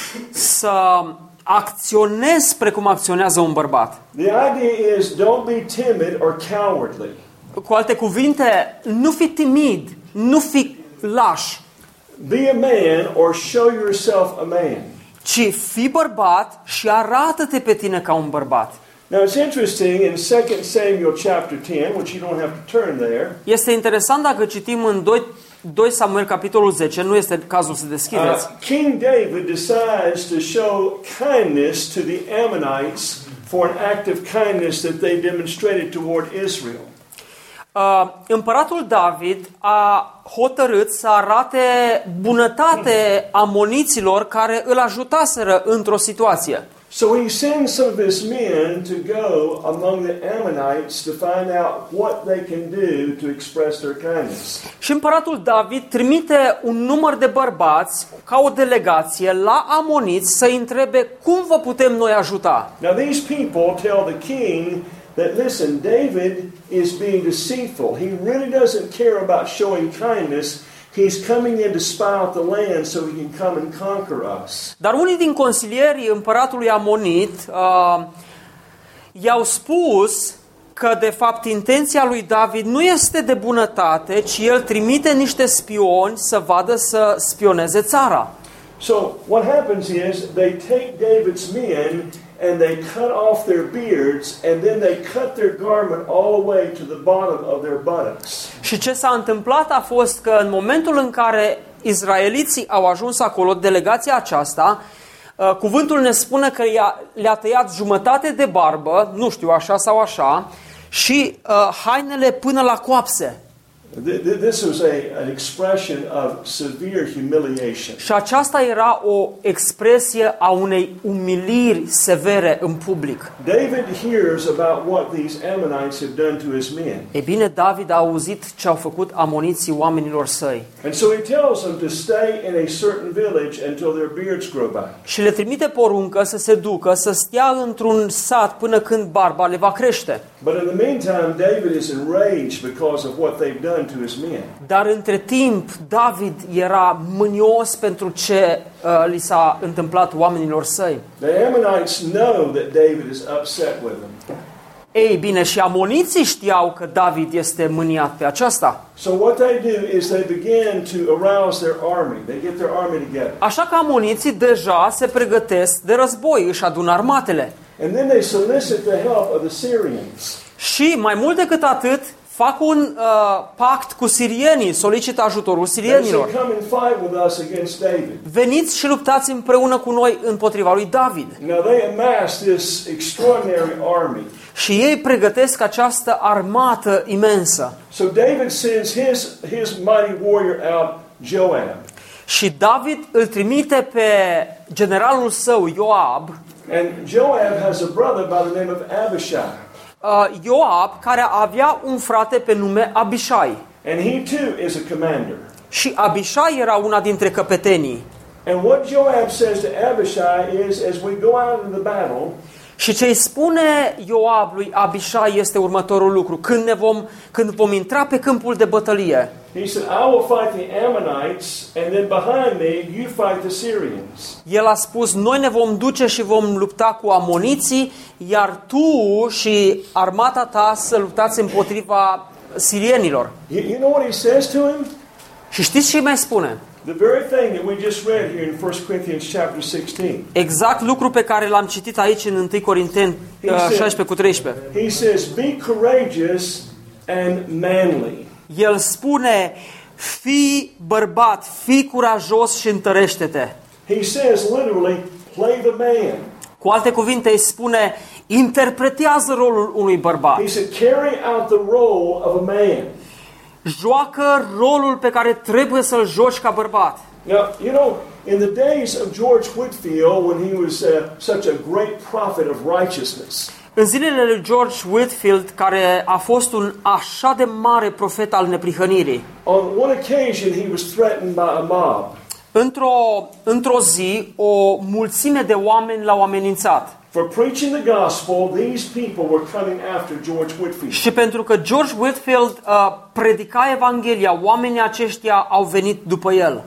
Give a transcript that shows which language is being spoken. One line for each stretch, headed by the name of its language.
Romanian: Să acționezi precum acționează un bărbat.
English: The idea is don't be timid or cowardly.
Romanian: Cu alte cuvinte, nu fi timid, nu fi laș.
English: Be a man or show yourself a man.
Romanian: Ci fii bărbat și arată-te pe tine ca un bărbat.
English: Now it's interesting in 2 Samuel chapter 10, which you don't have to turn there.
Romanian: Este interesant dacă citim în 2 Samuel capitolul 10, nu este cazul să deschideți.
English: King David decides to show kindness to the Ammonites for an act of kindness that they demonstrated toward Israel.
Romanian: Împăratul David a hotărât să arate bunătate amoniților care îl ajutaseră într-o situație.
English: So he sends some of his men to go among the Ammonites to find out what they can do to express their kindness.
Romanian: Și împăratul David trimite un număr de bărbați ca o delegație la Amoniți să-i întrebe cum vă putem noi ajuta.
English: Now these people tell the king that listen, David is being deceitful. He really doesn't care about showing kindness. He's coming in to spy out the land so he can come and conquer us.
Romanian: Dar unii din consilierii împăratului Amonit i-au spus că de fapt intenția lui David nu este de bunătate, ci el trimite niște spioni să vadă să spioneze țara.
English: So what happens is they take David's men and they cut off their beards and then they cut their garment all the way to the bottom of their buttocks.
Romanian: Și ce s-a întâmplat a fost că în momentul în care izraeliții au ajuns acolo, delegația aceasta, cuvântul ne spune că le-a tăiat jumătate de barbă, nu știu, așa sau așa, și hainele până la coapse.
English: This was an expression of severe humiliation.
Romanian: Și aceasta era o expresie a unei umiliri severe în public.
English: David hears about what these Ammonites have done to his men.
Romanian: E bine, David a auzit ce au făcut amoniții oamenilor săi.
English: And so he tells them to stay in a certain village until their beards grow back.
Romanian: Și le trimite poruncă să se ducă, să stea într-un sat până când barba le va crește.
English: But in the meantime, David is enraged because of what they've done to his men.
Romanian: Dar între timp, David era mânios pentru ce li s-a întâmplat oamenilor săi.
English: The Ammonites know that David is upset with them.
Romanian: Ei bine, și amoniții știau că David este mâniat pe aceasta.
English: So what they do is they begin to arouse their army. They get their army together.
Romanian: Așa că amoniții deja se pregătesc de război, își adună armatele.
English: And then they solicit the help of the Syrians.
Romanian: Și mai mult decât atât, fac un pact cu sirienii, solicită ajutorul sirienilor.
English: Come and fight with us against David.
Romanian: Veniți și luptați împreună cu noi împotriva lui David.
English: Now they amassed this extraordinary army.
Romanian: Și ei pregătesc această armată imensă.
English: So David sends his mighty warrior out, Joab.
Romanian: Și David îl trimite pe generalul său Ioab.
English: And Joab has a brother by the name of Abishai.
Romanian: Ioab, care avea un frate pe nume Abishai.
English: And he too is a commander.
Romanian: Și Abishai era una dintre căpetenii.
English: And what Joab says to Abishai is, as we go out into the battle.
Romanian: Și ce îi spune Ioab lui Abishai este următorul lucru: când vom intra pe câmpul de bătălie.
English: He said, I will fight the Ammonites and then behind me you fight the Syrians.
Romanian: El a spus, noi ne vom duce și vom lupta cu amoniții, iar tu și armata ta să luptați împotriva sirienilor.
English: You know what he says to him?
Romanian: Și știți ce îi mai spune?
English: The very thing that we just read here in 1 Corinthians chapter 16.
Romanian: Exact lucru pe care l-am citit aici în 1 Corinteni 16:13.
English: He says, be courageous and manly.
Romanian: El spune, fii bărbat, fii curajos și întărește-te.
English: He says literally, play the man.
Romanian: Cu alte cuvinte, îi spune, interpretează rolul unui bărbat.
English: He said, carry out the role of a man.
Romanian: Joacă rolul pe care trebuie să-l joci ca bărbat.
English: Now, you know, in the days of George Whitefield, when he was such a great prophet of righteousness.
Romanian: În zilele lui George Whitefield, care a fost un așa de mare profet al neprihănirii.
English: On one occasion he was threatened by a mob.
Romanian: Într-o zi, o mulțime de oameni l-au amenințat.
English: For preaching the gospel, these people were coming after George Whitefield.
Romanian: Și pentru că George Whitefield predica evanghelia, oamenii aceștia au venit după el.